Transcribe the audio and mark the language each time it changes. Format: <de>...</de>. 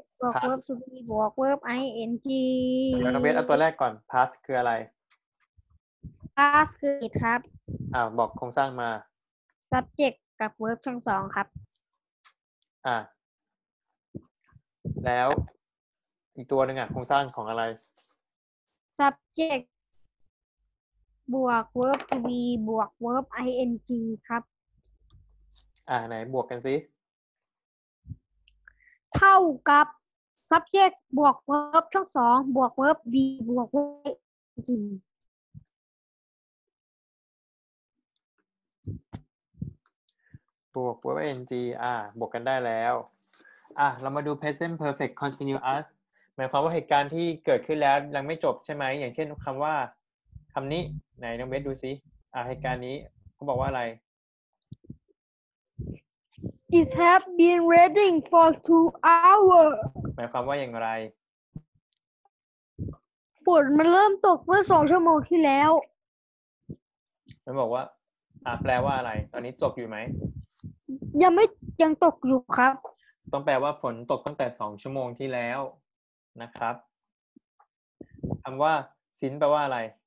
<th>บวก verb to be บวก verb ing แล้วน้องเบสเอาตัวแรกก่อน past คืออะไร past คือ it ครับ บอกโครงสร้างมา subject กับ verb ช่องสองครับ แล้วอีกตัวหนึ่งอ่ะโครงสร้างของอะไร subject บวก verb to be บวก verb ing ครับ ไหนบวกกันสิ เท่ากับ subject บวก verb ช่องสองบวก verb be บวก ing บวก verb ing บวกกันได้แล้วเรามาดู present perfect continuous หมายความว่าเหตุการณ์ที่เกิดขึ้นแล้วยังไม่จบใช่ไหมอย่างเช่นคำว่าคำนี้ไหนน้องเบสดูสิเหตุการณ์นี้เขาบอกว่าอะไร</th> <en>it has been raining for 2 hours</en> <th>หมายความว่าอย่างไร ฝนมันเริ่มตกเมื่อ2 ชั่วโมงที่แล้ว มันบอกว่าแปลว่าอะไรตอนนี้ตกอยู่ไหม ยังไม่ยังตกอยู่ครับ ต้องแปลว่าฝนตกตั้งแต่2 ชั่วโมงที่แล้วนะครับคำว่าสินแปลว่าอะไร</th>